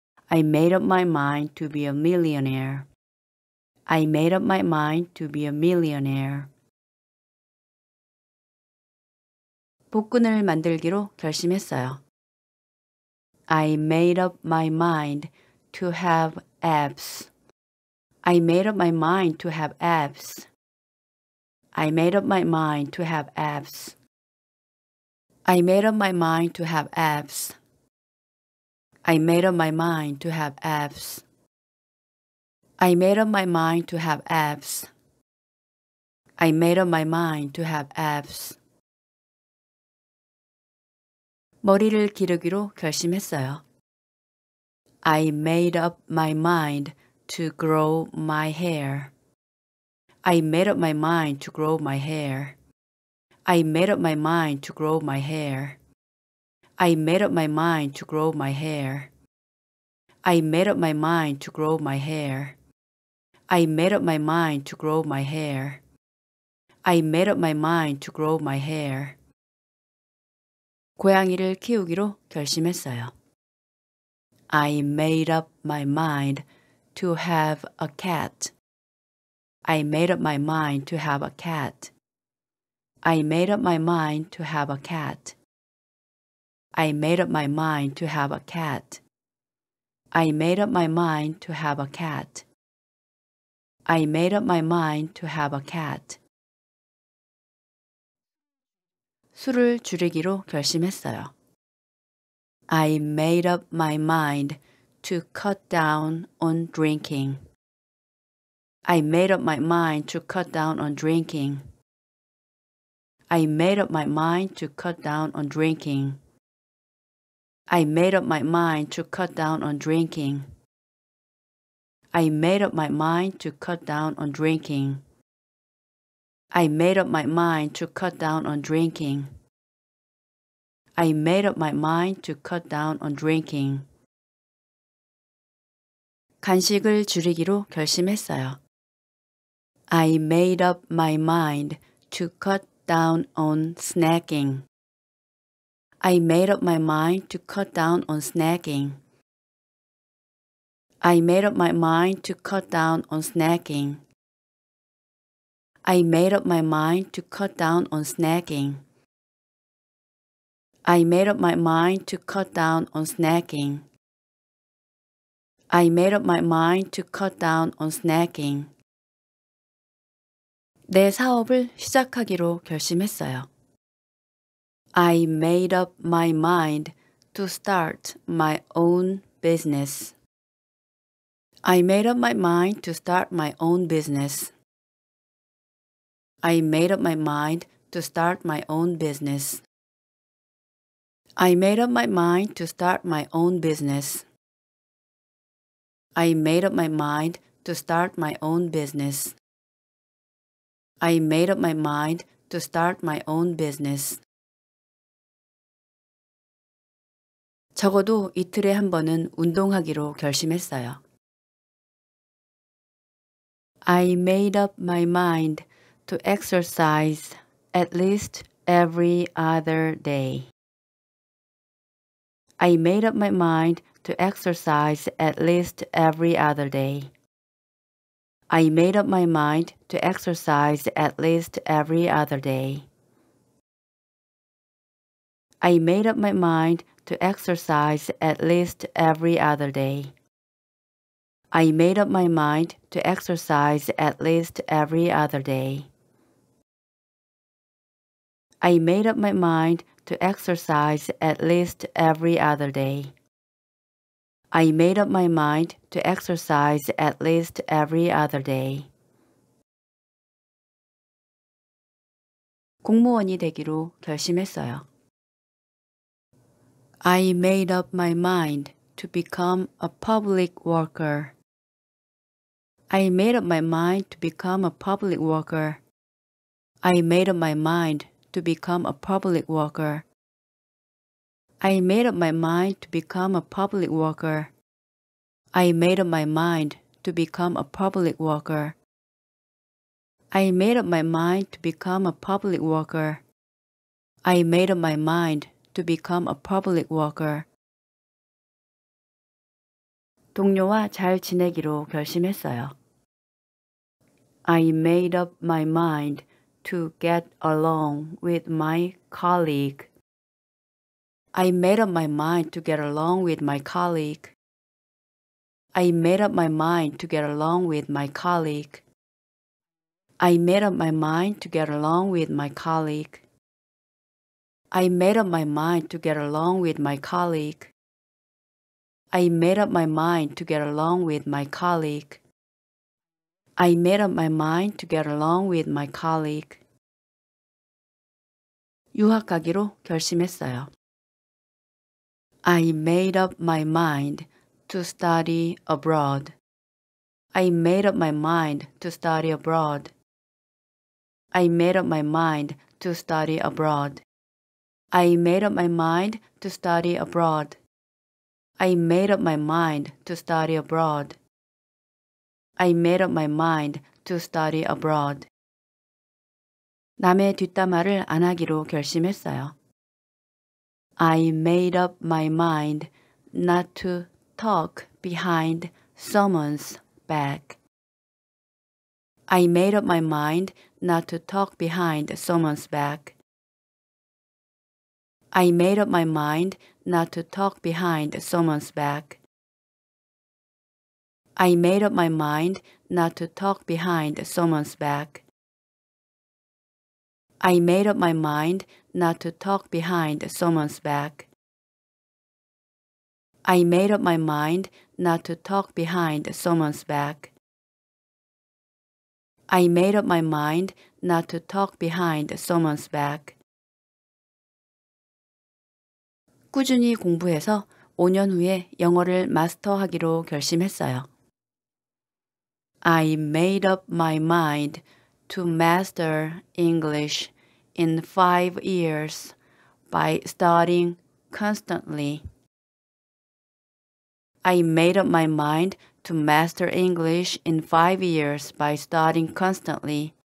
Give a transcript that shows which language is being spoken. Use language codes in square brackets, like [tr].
[en] I made up my mind to be a millionaire. I made up my mind to be a millionaire. [ko] 복근을 만들기로 결심했어요. [en] I made up my mind to have abs. I made up my mind to have abs. I made up my mind to have abs. I made up my mind to have abs. I made up my mind to have abs. I made up my mind to have abs. I made up my mind to have abs. [ko] 머리를 기르기로 결심했어요. [en] I made up my mind to grow my hair. I made up my mind to grow my hair. I made up my mind to grow my hair. I made up my mind to grow my hair. I made up my mind to grow my hair. I made up my mind to grow my hair. I made up my mind to grow my hair. [ko] 고양이를 키우기로 결심했어요. [en] I made up my mind to have a cat. I made up my mind to have a cat. I made up my mind to have a cat. I made up my mind to have a cat. I made up my mind to have a cat. I made up my mind to have a cat. [ko] 술을 줄이기로 결심했어요. [en] I made up my mind to cut down on drinking. I made up my mind to cut down on drinking. I made up my mind to cut down on drinking. I made up my mind to cut down on drinking. I made up my mind to cut down on drinking. I made up my mind to cut down on drinking. I made up my mind to cut down on drinking. [ko] 간식을 줄이기로 결심했어요. [en] I made up my mind to cut down on snacking. I made up my mind to cut down on snacking. I made up my mind to cut down on snacking. I made up my mind to cut down on snacking. I made up my mind to cut down on snacking. I made up my mind to cut down on snacking. [ko] 내 사업을 시작하기로 결심했어요. [en] I made up my mind to start my own business. I made up my mind to start my own business. I made up my mind to start my own business. I made up my mind to start my own business. I made up my mind to start my own business. I made up my mind to start my own business. [ko] 적어도 이틀에 한 번은 운동하기로 결심했어요. [en] I made up my mind to exercise at least every other day. I made up my mind to exercise at least every other day. I made up my mind to exercise at least every other day. I made up my mind to exercise at least every other day. I made up my mind to exercise at least every other day. I made up my mind to exercise at least every other day. I made up my mind to exercise at least every other day. [ko] 공무원이 되기로 결심했어요. [en] I made up my mind to become a public worker. I made up my mind to become a public worker. I made up my mind to become a public worker. I made up my mind to become a public worker. I made up my mind to become a public worker. I made up my mind to become a public worker. I made up my mind to become a public worker. [ko] 동료와 잘 지내기로 결심했어요. [en] I made up my mind to get along with my colleague. I made up my mind to get along with my colleague. I made up my mind to get along with my colleague. I made up my mind to get along with my colleague. I made up my mind to get along with my colleague. I made up my mind to get along with my colleague. I made up my mind to get along with my colleague. [ko] 유학 가기로 결심했어요. [en] I made up my mind to study abroad. I made up my mind to study abroad. I made up my mind to study abroad. I made up my mind to study abroad. I made up my mind to study abroad. I made up my mind to study abroad. [ko] 남의 뒷담화를 안 하기로 결심했어요. [en] I made up my mind not to talk behind someone's back. I made up my mind not to talk behind someone's back. I made up my mind not to talk behind someone's back. I made up my mind not to talk behind someone's back. I made up my mind not to talk behind someone's back. I made up my mind not to talk behind someone's back. I made up my mind not to talk behind someone's back. [ko] 꾸준히 공부해서 5년 후에 영어를 마스터하기로 결심했어요. [en] I made up my mind to master English in 5 years by studying constantly. I made up my mind to master English in 5 years by studying constantly.